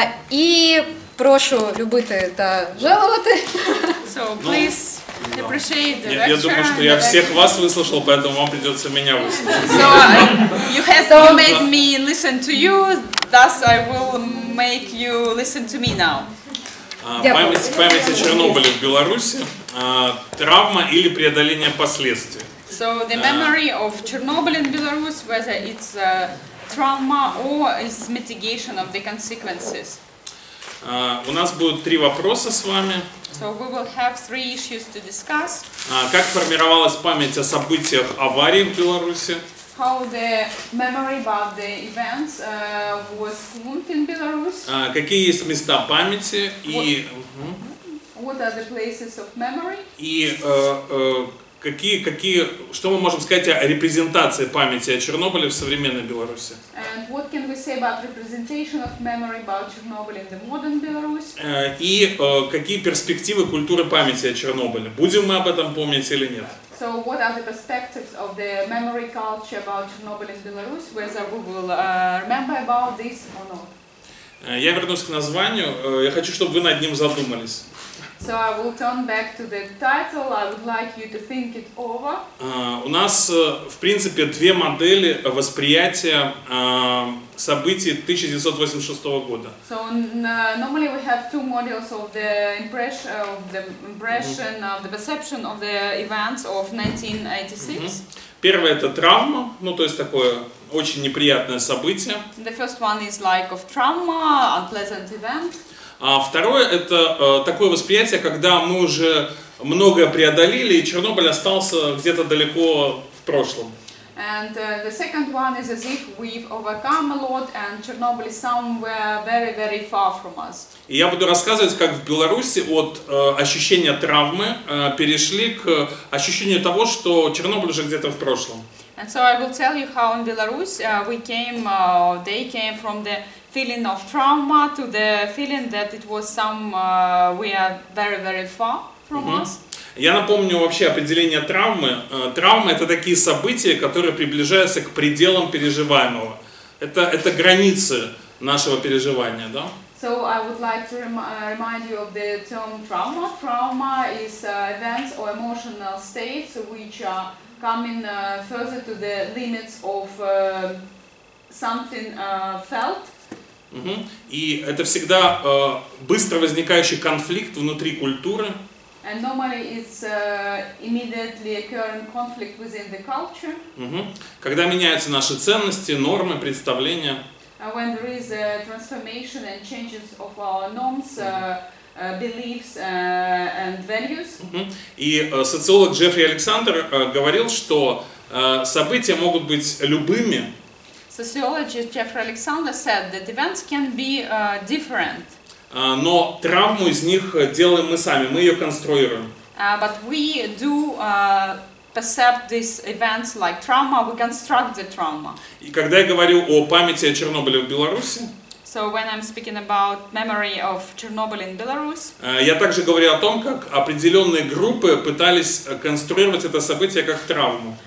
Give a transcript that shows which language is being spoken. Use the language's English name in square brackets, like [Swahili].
[Ukrainian] І прошу любити та жалувати. [English] So, please. [Russian] Я думаю, что я всех вас выслушал, поэтому вам придется меня выслушать. [English] So you have made me listen to you, thus I will make you listen to me now. [Russian] Память о Чернобыле в Беларуси. Травма или преодоление последствий. [English] So the memory of Chernobyl in Belarus, whether it's a trauma or it's mitigation of the consequences. [Russian] У нас будут три вопроса с вами. [English] So we will have three issues to discuss. [Russian] Как формировалась память о событиях аварии в Беларуси? [English] How the memory about the events was formed in Belarus? [Russian] Какие есть места памяти и [English] What are the places of memory? [Russian] И какие что мы можем сказать о репрезентации памяти о Чернобыле в современной Беларуси? [English] And what can we say about representation of memory about Chernobyl in the modern Belarus? [Russian] И какие перспективы культуры памяти о Чернобыле? Будем мы об этом помнить или нет? [English] So what are the perspectives of the memory culture about Chernobyl in Belarus, whether we will remember about this or not? [Russian] Я вернусь к названию. Я хочу, чтобы вы над ним задумались. [English] So I will turn back to the title. I would like you to think it over. [Russian] У нас, в принципе, две модели восприятия событий 1986 года. [English] So normally we have two models of the impression of the impression of the perception of the events of 1986. [Russian] Первое это травма, ну то есть такое очень неприятное событие. [English] The first one is like of trauma, unpleasant event. [Russian] А второе – это такое восприятие, когда мы уже многое преодолели, и Чернобыль остался где-то далеко в прошлом. [English] And the second one is as if we've overcome a lot, and Chernobyl is somewhere very, very far from us. [Russian] И я буду рассказывать, как в Беларуси от ощущения травмы перешли к ощущению того, что Чернобыль уже где-то в прошлом. [English] And so I will tell you how in Belarus we came, they came from the feeling of trauma to the feeling that it was somewhere very, very far from us. [Russian] Я напомню вообще определение травмы. Травма — это такие события, которые приближаются к пределам переживаемого. Это границы нашего переживания, да? [English] So I would like to remind you of the term trauma. Trauma is events or emotional states which are coming further to the limits of something felt. [Russian] И это всегда быстро возникающий конфликт внутри культуры. [English] And normally it's immediately occurring conflict within the culture. [Russian] Когда меняются наши ценности, нормы, представления. [English] When there is a transformation and changes of our norms, beliefs and values. [Russian] И социолог Джеффри Александр говорил, что события могут быть любыми. [English] Sociologist Jeffrey Alexander said that events can be different. [Russian] Но травму из них делаем мы сами, мы ее конструируем. [English] But we do perceive these events like trauma, we construct the trauma. [Russian] И когда я говорю о памяти о Чернобыле в Беларуси, [English] so when I'm speaking about memory of Chernobyl in Belarus, [Russian] я также говорю о том, как определенные группы пытались конструировать это событие как травму.